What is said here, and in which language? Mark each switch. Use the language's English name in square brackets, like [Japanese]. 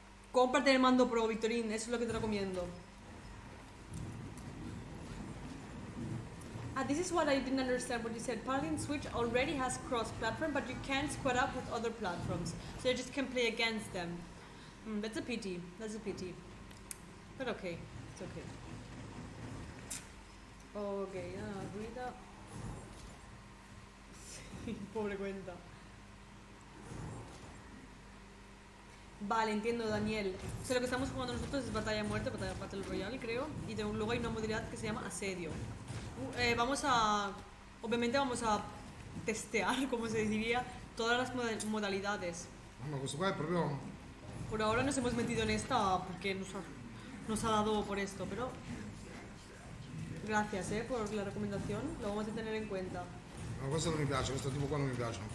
[Spanish] Comparte el mando pro, Victorín, eso es lo que te recomiendo. [English] Ah, this is what I didn't understand what you said. Paladin Switch already has cross-platform, but you can't squad up with other platforms. So you just can play against them. Mm, that's a pity. That's a pity. But okay. It's okay. Okay, guida. [Spanish] Pobre cuenta. Vale, entiendo, Daniel. O sea, lo que estamos jugando nosotros es Batalla Muerte, Batalla Battle Royale, creo. Y luego hay una modalidad que se llama Asedio. Vamos a... Obviamente vamos a testear, como se diría, todas las modalidades. Bueno, pues igual, pero... Por ahora nos hemos metido en esta porque nos ha dado por esto, pero... Gracias, por la recomendación. Lo vamos a tener en cuenta. [Italian] No, questo non mi piace, questo tipo qua non mi piace.